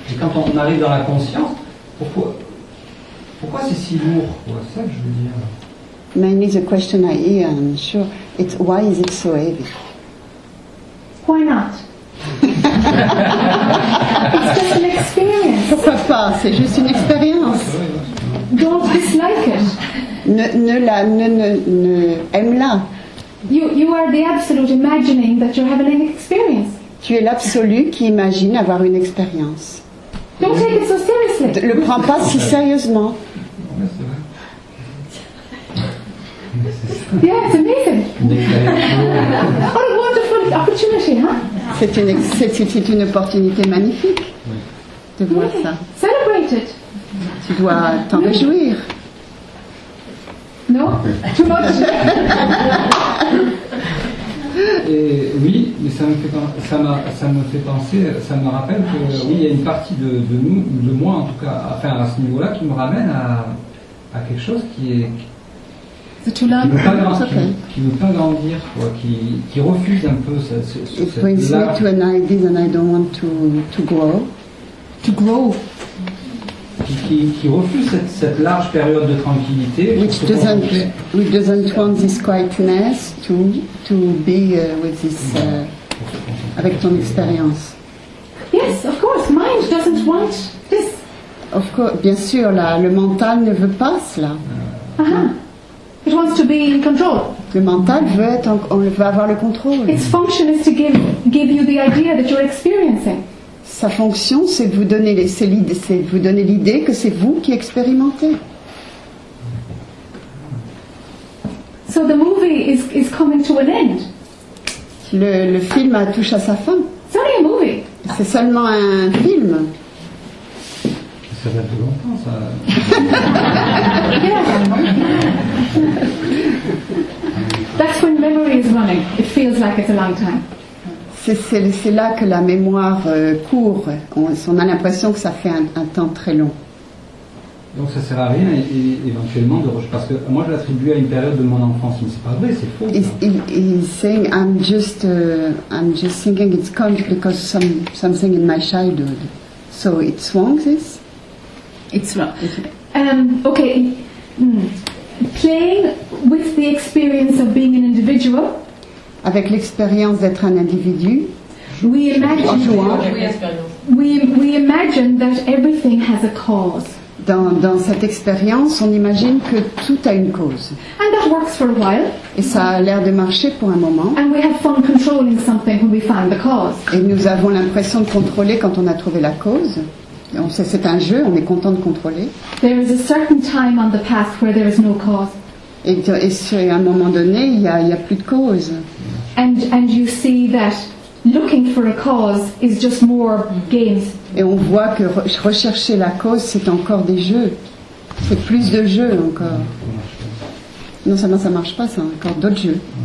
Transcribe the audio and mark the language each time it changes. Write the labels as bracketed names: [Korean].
[French] Et quand on arrive dans la conscience, pourquoi c'est si lourd, quoi, ça que je veux dire. [English] Mainly the question I hear, I'm sure, it's why is it so heavy? Why not? It's just an experience. [French] Pourquoi pas, c'est juste une expérience. [English] Don't dislike it. [French] Ne aime-la. [English] You are the absolute imagining that you're having an experience. [French] Tu es l'absolu qui imagine avoir une expérience. [English] Don't take it so seriously. [French] Le prends pas si sérieusement. [English] Yeah, it's amazing. What a wonderful opportunity, huh? [French] C'est une opportunité magnifique de voir ça. Celebrate it. Tu dois t'en réjouir. Non? [English] Too much? [French] Et oui, mais ça me fait penser, ça me rappelle que oui, il y a une partie de nous, de moi en tout cas, enfin à ce niveau-là, qui me ramène à quelque chose qui est. C'est tout là, qui ne veut pas grandir, quoi, qui refuse un peu cette. [English] It brings me to an idea that I don't want to grow. To grow. [French] Qui refuse cette large période de tranquillité. [English] Which doesn't want this quietness to be with this [French] avec ton expérience. [English] Yes, of course, mind doesn't want this. Of course, [French] bien sûr, là, le mental ne veut pas cela. [English] Uh-huh. It wants to be in control. [French] Le mental veut avoir le contrôle. [English] Its function is to give you the idea that you're experiencing. [French] Sa fonction, c'est de vous donner l'idée que c'est vous qui expérimentez. [English] So the movie is coming to an end. [French] Le film touche à sa fin. [English] It's only a movie. [French] C'est seulement un film. Ça fait plus longtemps, ça. [English] That's when memory is running. It feels like it's a long time. [French] C'est là que la mémoire court. On a l'impression que ça fait un temps très long. Donc ça sert à rien éventuellement de rejeter. Parce que moi je l'attribue à une période de mon enfance, mais c'est pas vrai, c'est faux. [English] He's saying I'm just thinking it's come because something in my childhood. So it's wrong, this? It's wrong. Okay. Playing with the experience of being an individual. [French] Avec l'expérience d'être un individu. [English] We imagine that everything has a cause. [French] Dans cette expérience, on imagine que tout a une cause. [English] And that works for a while. [French] Et ça a l'air de marcher pour un moment. [English] And we have fun controlling something when we find the cause. [French] Et nous avons l'impression de contrôler quand on a trouvé la cause. C'est un jeu, on est content de contrôler. [English] There is a certain time on the path where there is no cause. [French] Et sur un moment donné, il y a plus de cause. [English] And you see that looking for a cause is just more games. [French] Et on voit que rechercher la cause, c'est encore des jeux. C'est plus de jeux encore. Non seulement ça marche pas, c'est encore d'autres jeux.